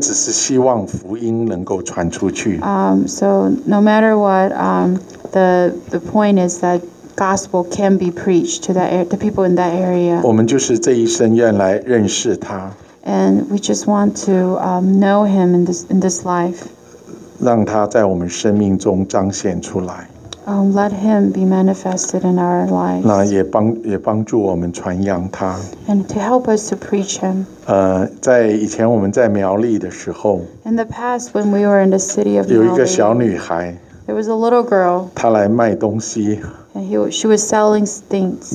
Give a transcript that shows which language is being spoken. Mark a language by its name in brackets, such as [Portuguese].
[Chinese] 我想我们就是没有争这个，我们只是希望福音能够传出去。 [English] So no matter what, the point is that gospel can be preached to the people in that area. [Chinese] 我们就是这一生愿来认识他。 [English] And we just want to know him in this life. [Chinese] 让他在我们生命中彰显出来 [English] Let him be manifested in our lives [Chinese] 那也帮助我们传扬他 [English] And to help us to preach him [Chinese] 在以前我们在苗栗的时候 [English] In the past when we were in the city of [Chinese] 有一个小女孩 [English] There was a little girl [Chinese] 她来卖东西 [English] And she was selling things